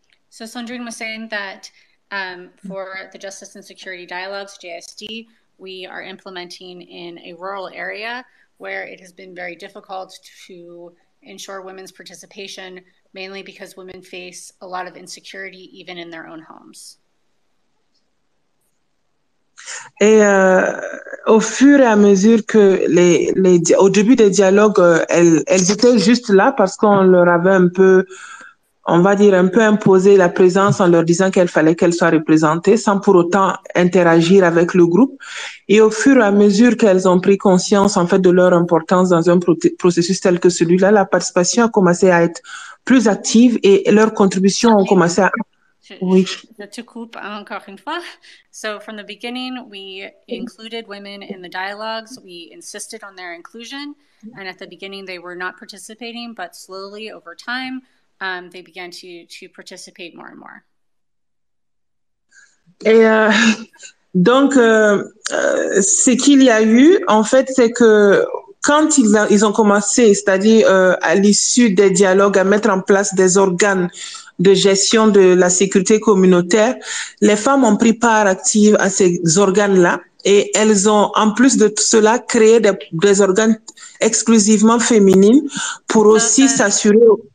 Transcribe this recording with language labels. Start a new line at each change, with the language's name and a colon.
English: So Sandrine was saying that for the Justice and Security Dialogues, JSD, we are implementing in a rural area where it has been very difficult to ensure women's participation, mainly because women face a lot of insecurity even in their own homes.
French: Et au fur et à mesure que au début des dialogues, elles étaient juste là parce qu'on leur avait un peu, on va dire, un peu imposer la présence en leur disant qu'il fallait qu'elles soient représentées sans pour autant interagir avec le groupe. Et au fur et à mesure qu'elles ont pris conscience, en fait, de leur importance dans un processus tel que celui-là, la participation a commencé à être plus active et leurs contributions ont commencé à... Oui. Je te coupe encore une fois.
English: So, from the beginning, we included women in the dialogues. We insisted on their inclusion. And at the beginning, they were not participating, but slowly, over time, they began to participate more and more.
French: Et donc, ce qu'il y a eu, en fait, c'est que quand ils ont commencé, c'est-à-dire à l'issue des dialogues, à mettre en place des organes de gestion de la sécurité communautaire, les femmes ont pris part active à ces organes-là et elles ont, en plus de cela, créé des organes exclusivement féminines pour aussi s'assurer...